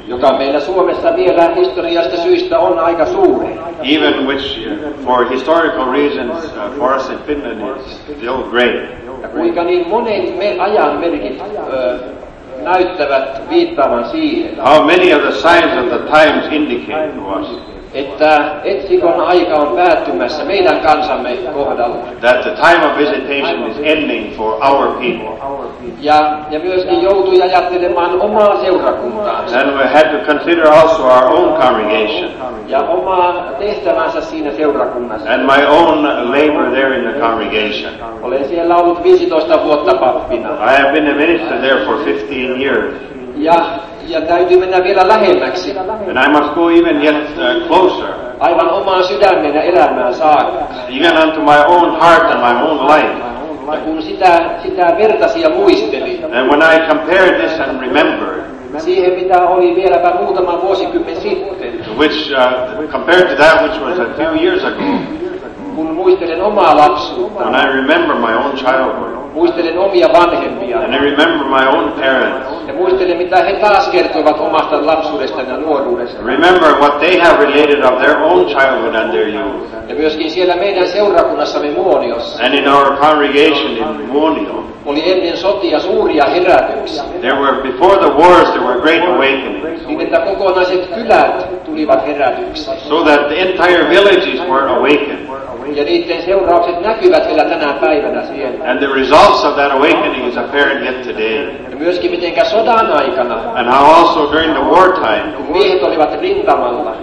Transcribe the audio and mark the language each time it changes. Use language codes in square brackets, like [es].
[fi] Joka meillä Suomessa vielä historiasta syystä on aika suuri. [en] Even which, for historical reasons, for us in Finland is still great. [fi] Ja kuinka niin monet ajan merkit näyttävät viittaavan siihen. [en] How many of the signs of the times indicate was. [fi] Että etsikon aika on päättymässä meidän kansamme kohdalla. [en] That the time of visitation is ending for our people. [fi] Ja myöskin joutui ajattelemaan omaa seurakuntaansa. [en] And we had to consider also our own congregation. [fi] Ja omaa tehtävänsä siinä seurakunnassa. [en] And my own labor there in the congregation. [fi] Olen siellä ollut 15 vuotta pappina. [en] I have been a minister there for 15 years. [fi] Ja täytyy mennä vielä lähemmäksi. [en] And I must go even yet closer. [fi] Aivan omaan sydämeen ja elämään saakka. [en] Even unto my own heart and my own life. [fi] Ja kun sitä vertasi ja muisteli. [en] And when I compare this and remember. [fi] Siihen mitä oli vieläpä muutama vuosikymmen sitten. [en] Compared to that which was a few years ago. [fi] Kun muistelen omaa lapsuutta. [en] When I remember my own childhood. [fi] Muistelen omia vanhempia. [en] And I remember my own parents. [fi] Ja muistelen mitä he taas kertovat omasta lapsuudesta ja nuoruudesta. [en] Remember what they have related of their own childhood and their youth. [fi] Ja myöskin siellä meidän seurakunnassamme Muoniossa. [en] And in our congregation in Muonio. [fi] Oli ennen sotia suuria herätyksiä. [en] There were before the wars there were great awakenings. [fi] Niin että kokonaiset kylät tulivat herätyksiä. [en] So that the entire villages were awakened. [fi] Ja niiden seuraukset näkyvät vielä tänä päivänä siellä. [en] And the results of that awakening is apparent yet today. [fi] Ja myöskin mitenkä sodan aikana. [en] And how also during the wartime. [fi] Kun miehet olivat rintamalla.